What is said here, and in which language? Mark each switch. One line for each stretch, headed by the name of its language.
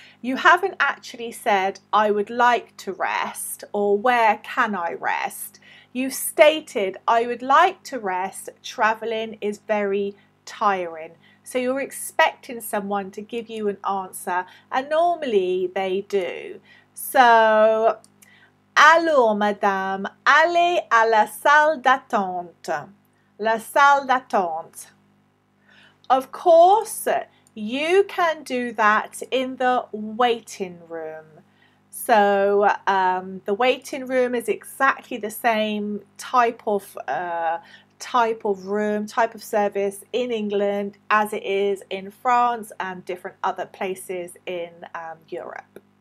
English: You haven't actually said, I would like to rest, or where can I rest? You've stated, I would like to rest, traveling is very tiring. So you're expecting someone to give you an answer, and normally they do.
French: So, alors madame, allez à la salle d'attente. La salle d'attente.
English: Of course, you can do that in the waiting room. So the waiting room is exactly the same type of service in England as it is in France and different other places in Europe.